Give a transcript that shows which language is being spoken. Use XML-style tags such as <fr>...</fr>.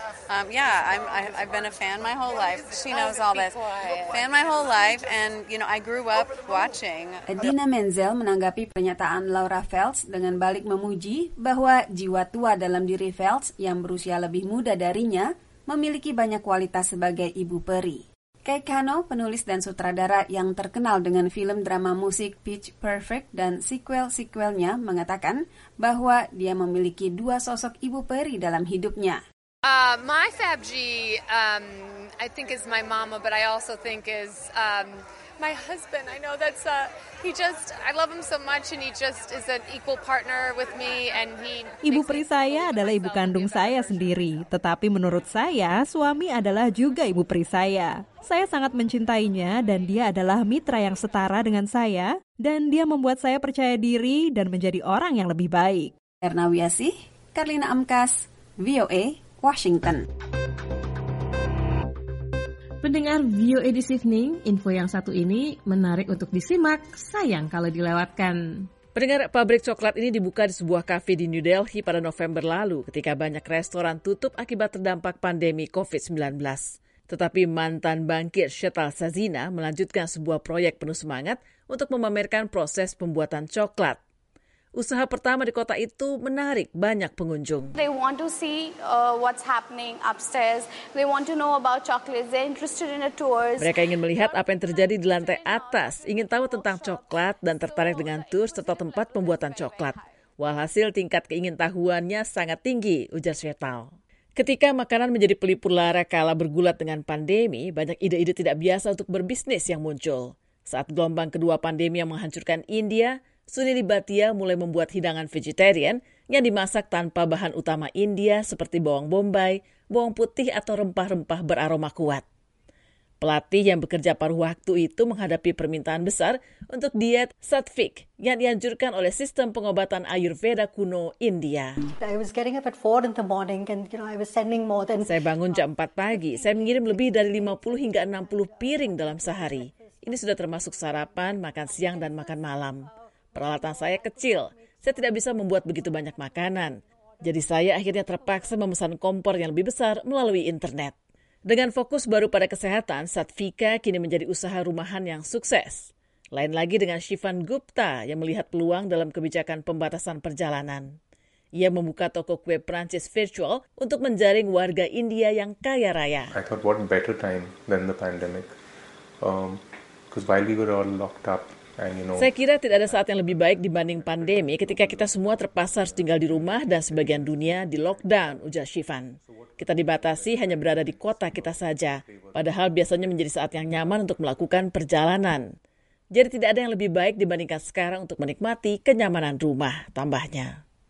<en>I've been a fan my whole life. She knows all this. Fan my whole life and you know I grew up watching.</en> <id>Adina Menzel menanggapi pernyataan Laura Feltz dengan balik memuji bahwa jiwa tua dalam diri Feltz yang berusia lebih muda darinya memiliki banyak kualitas sebagai ibu peri. Kay Kano, penulis dan sutradara yang terkenal dengan film drama musik Pitch Perfect dan sequel-sequelnya, mengatakan bahwa dia memiliki dua sosok ibu peri dalam hidupnya.</id> <en>My Fab G, I think is my mama, but I also think is my husband. I know that's he just I love him so much and he just is an equal partner with me and he.</en> <id>Ibu peri saya adalah ibu kandung saya sendiri, tetapi menurut saya suami adalah juga ibu peri saya. Saya sangat mencintainya dan dia adalah mitra yang setara dengan saya dan dia membuat saya percaya diri dan menjadi orang yang lebih baik. Erna Wiyasih, Karlina Amkas, VOA, Washington. Pendengar VOA This Evening, info yang satu ini menarik untuk disimak, sayang kalau dilewatkan. Pendengar, pabrik coklat ini dibuka di sebuah kafe di New Delhi pada November lalu ketika banyak restoran tutup akibat terdampak pandemi COVID-19. Tetapi mantan bangkir Shetal Sazina melanjutkan sebuah proyek penuh semangat untuk memamerkan proses pembuatan coklat. Usaha pertama di kota itu menarik banyak pengunjung.</id> <en>They want to see what's happening upstairs. They want to know about chocolates. They're interested in a tour.</en> <id>Mereka ingin melihat apa yang terjadi di lantai atas, ingin tahu tentang coklat dan tertarik dengan tour serta tempat pembuatan coklat. Walhasil tingkat keingintahuannya sangat tinggi, ujar Shetal. Ketika makanan menjadi pelipur lara kala bergulat dengan pandemi, banyak ide-ide tidak biasa untuk berbisnis yang muncul. Saat gelombang kedua pandemi yang menghancurkan India, Sunil Bhatia mulai membuat hidangan vegetarian yang dimasak tanpa bahan utama India seperti bawang bombay, bawang putih atau rempah-rempah beraroma kuat. Pelatih yang bekerja paruh waktu itu menghadapi permintaan besar untuk diet Satvik yang dianjurkan oleh sistem pengobatan Ayurveda kuno India.</id> <en>I was getting up at 4 in the morning and you know I was sending more than</en> <id>Saya bangun jam 4 pagi. Saya mengirim lebih dari 50 hingga 60 piring dalam sehari. Ini sudah termasuk sarapan, makan siang dan makan malam. Peralatan saya kecil. Saya tidak bisa membuat begitu banyak makanan. Jadi saya akhirnya terpaksa memesan kompor yang lebih besar melalui internet. Dengan fokus baru pada kesehatan, Satvika kini menjadi usaha rumahan yang sukses. Lain lagi dengan Shivan Gupta yang melihat peluang dalam kebijakan pembatasan perjalanan. Ia membuka toko kue Prancis virtual untuk menjaring warga India yang kaya raya.</id> <en>I thought what better time than the pandemic. Because while we were all locked up,</en> <id>saya kira tidak ada saat yang lebih baik dibanding pandemi ketika kita semua terpaksa harus tinggal di rumah dan sebagian dunia di lockdown, ujar Shivan. Kita dibatasi hanya berada di kota kita saja, padahal biasanya menjadi saat yang nyaman untuk melakukan perjalanan. Jadi tidak ada yang lebih baik dibandingkan sekarang untuk menikmati kenyamanan rumah, tambahnya.</id>